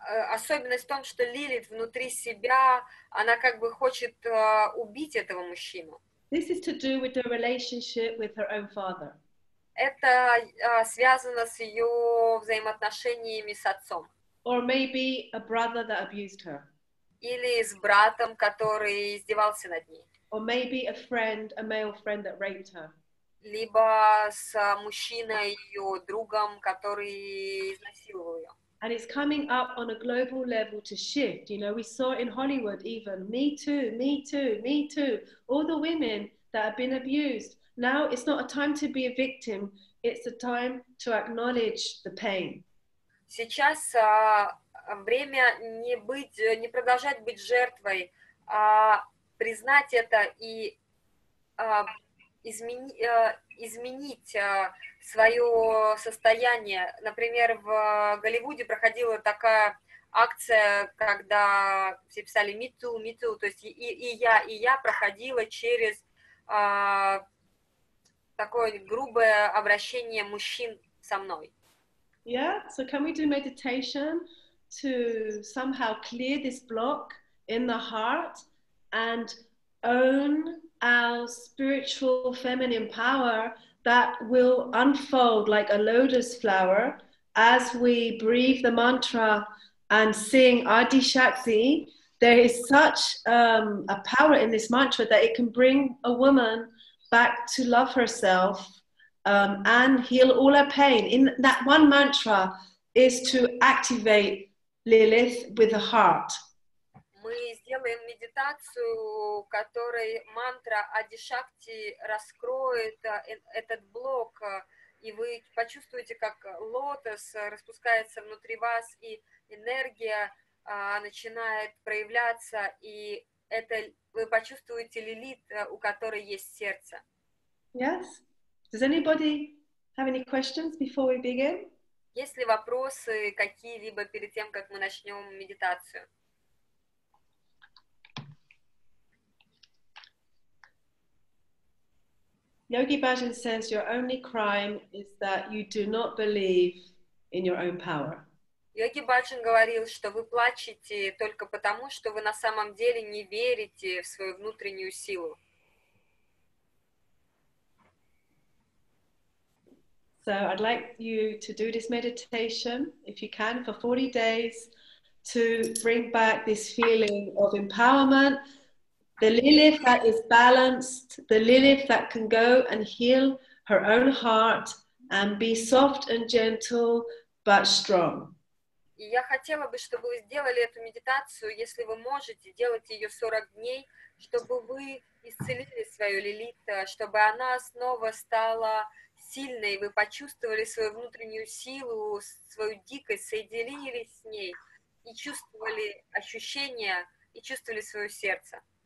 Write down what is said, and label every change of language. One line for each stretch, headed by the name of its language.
Russian: Особенность в том, что Лилит внутри себя, она как бы хочет убить этого мужчину.
English: This is to do with the relationship with her own father.
Russian: Это связано с ее взаимоотношениями с отцом.
English: Or maybe a brother that abused her.
Russian: Или с братом, который издевался над ней.
English: Or maybe a friend, a male friend that raped her.
Russian: Либо с мужчиной, ее другом, который изнасиловал ее.
English: And it's coming up on a global level to shift. You know, we saw in Hollywood even, me too, me too, me too. All the women that have been abused. Now it's not a time to be a victim, it's a time to acknowledge the pain.
Russian: Сейчас время не быть, не продолжать быть жертвой, а признать это и изменить свое состояние. Например, в Голливуде проходила такая акция, когда все писали Me Too, Me Too, то есть и я проходила через такое грубое обращение мужчин со мной.
English: Yeah, so can we do meditation to somehow clear this block in the heart and own our spiritual feminine power that will unfold like a lotus flower as we breathe the mantra and sing Adi Shakti? There is such a power in this mantra that it can bring a woman back to love herself and heal all her pain. In that one mantra is to activate Lilith with the heart.
Russian: Мы сделаем медитацию, которой мантра Ади Шакти раскроет этот блок, и вы почувствуете, как лотос распускается внутри вас, и энергия начинает проявляться, и это вы почувствуете Лилит, у которой есть сердце.
English: Yes. Does anybody have any questions before we begin?
Russian: Есть ли вопросы какие-либо перед тем, как мы начнем медитацию?
English: Yogi Bhajan says your only crime is that you do not believe in your own power.
Russian: Йоги Баджан говорил, что вы плачете только потому, что вы на самом деле не верите в свою внутреннюю силу.
English: So I'd like you to do this meditation, if you can, for 40 days, to bring back this feeling of empowerment, the Lilith that is balanced, the Lilith that can go and heal her own heart and be soft and gentle, but strong.
Russian: И я хотела бы, чтобы вы сделали эту медитацию, если вы можете, делать ее 40 дней, чтобы вы исцелили свою Лилит, чтобы она снова стала сильной, вы почувствовали свою внутреннюю силу, свою дикость, соединились с ней и чувствовали ощущения, и чувствовали свое сердце.